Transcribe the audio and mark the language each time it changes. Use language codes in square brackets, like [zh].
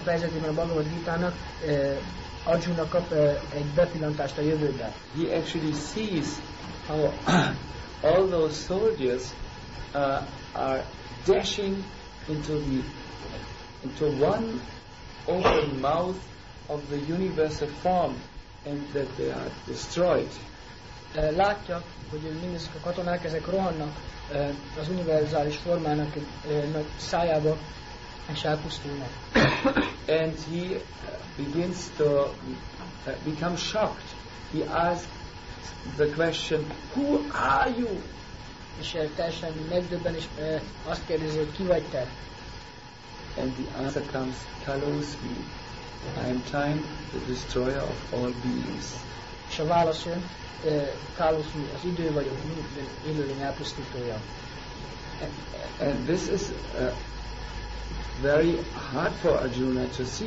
[hu] fejezetében a Bhagavad Gita-nak Arjuna kap egy bepillantást a jövőbe. [en] He actually sees how all those soldiers are dashing into one open mouth of the universal form, and that they are destroyed. [hu] Látja, hogy mindezek a katonák ezek rohannak az univerzális formának nagy szájába, és elpusztulnak. [en] And he begins to become shocked. He asks the question, "Who are you?" [hu] És teljesen megdöbben is azt kérdezi, hogy ki vagy te? [en] And the answer comes, "Kalosmi, I am time, the destroyer of all beings." [hu] És a válasz jön, Kalosmi, az idő vagyok, minden élőlény elpusztítója. [en] And this is very hard for Arjuna to see.